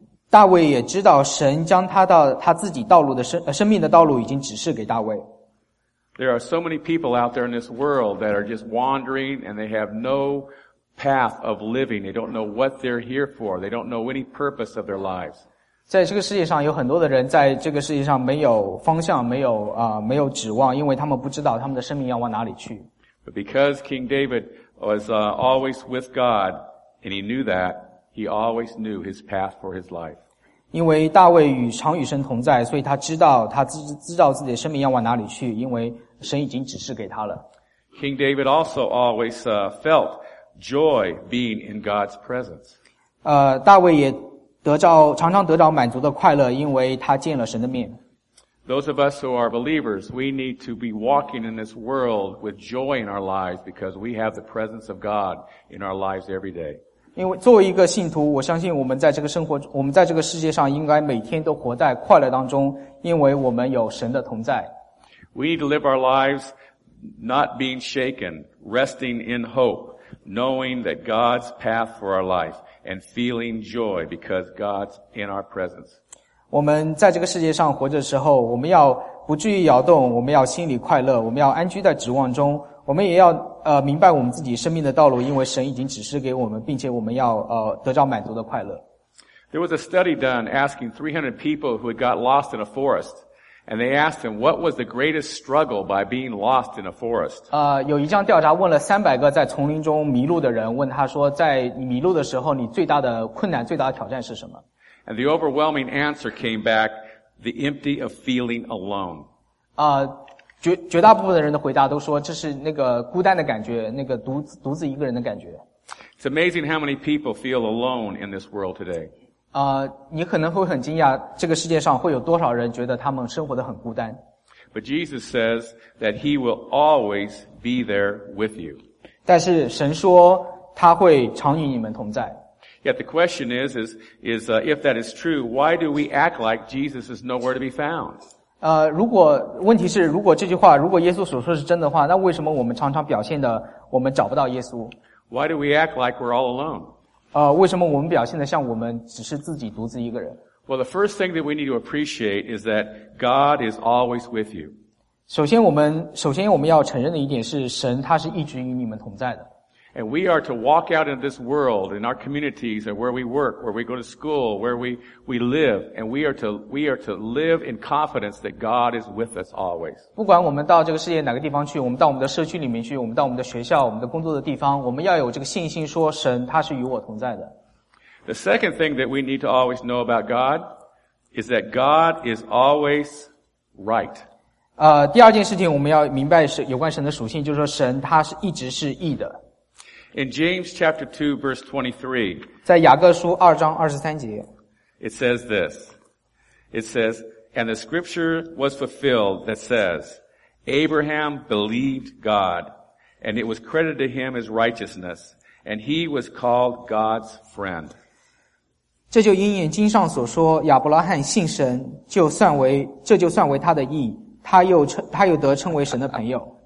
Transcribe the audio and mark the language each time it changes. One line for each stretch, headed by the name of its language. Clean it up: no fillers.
Chinese: 大卫也知道神将他自己道路的生命的道路已经指示给大卫。
English: There are so many people out there in this world that are just wandering and they have no path of living. They don't know what they're here for. They don't know any purpose of their lives.
Chinese: 在这个世界上有很多的人在这个世界上没有方向，没有指望，因为他们不知道他们的生命要往哪里去。
English: But because King David was always with God, and he knew that, he always knew his path for his life.
Chinese: 因为大卫常与神同在，所以他知道他知道自己的生命要往哪里去，因为神已经指示给他了。
English: King David also always felt joy being in God's presence.
Chinese: 大卫也常常得着满足的快乐，因为他见了神的面。
English: Those of us who are believers, we need to be walking in this world with joy in our lives because we have the presence of God in our lives every day.
Chinese: 因为作为一个信徒，我相信我们在这个世界上应该每天都活在快乐当中，因为我们有神的同在。
English: We need to live our lives not being shaken, resting in hope, knowing that God's path for our life. And feeling joy because God's in our presence.
Chinese: 我们在这个世界上活着的时候，我们要不至于摇动，我们要心里快乐，我们要安居在指望中，我们也要明白我们自己生命的道路，因为神已经指示给我们，并且我们要得着满足的快乐。
English: There was a study done asking 300 people who had got lost in a forest, and they asked them what was the greatest struggle by being lost in a forest.
Chinese: 有一项调查问了300个在丛林中迷路的人，问他说在你迷路的时候你最大的困难最大的挑战是什么。
English: And the overwhelming answer came back, the empty of feeling alone.
Chinese: 绝大部分的人的回答都说这是那个孤单的感觉，那个独自一个人的感觉。
English: It's amazing how many people feel alone in this world today.
Chinese: 你可能会很惊讶，这个世界上会有多少人觉得他们生活得很孤单。
English: But Jesus says that he will always be there with you.
Chinese: 但是神说他会常与你们同在。
English: Yet the question is if that is true, why do we act like Jesus is nowhere to be found?
Chinese: 如果问题是如果这句话如果耶稣所说是真的话，那为什么我们常常表现的我们找不到耶稣？
English: Why do we act like we're all alone?
Chinese: 为什么我们表现得像我们只是自己独自一个人？
English: Well, the first thing that we need to appreciate is that God is always with you.
Chinese: 首先我们要承认的一点是神他是一直与你们同在的。
English: And we are to walk out in this world, in our communities, and where we work, where we go to school, where we live, and we are to live in confidence that God is with us always.
Chinese: 不管我们到这个世界哪个地方去，我们到我们的社区里面去，我们到我们的学校，我们的工作的地方，我们要有这个信心说神他是与我同在的。
English: The second thing that we need to always know about God is that God is always right.
Chinese: 第二件事情我们要明白是有关神的属性，就是说神他是一直是义的。
English: In James chapter 2 verse 23,
Chinese: 在雅各书二章二十三节
English: it says this. It says, and the scripture was fulfilled that says, Abraham believed God, and it was credited to him as righteousness, and he was called God's friend.
Chinese: 这就应验经上所说，亚伯拉罕信神，这就算为他的义，他又得称为神的朋友。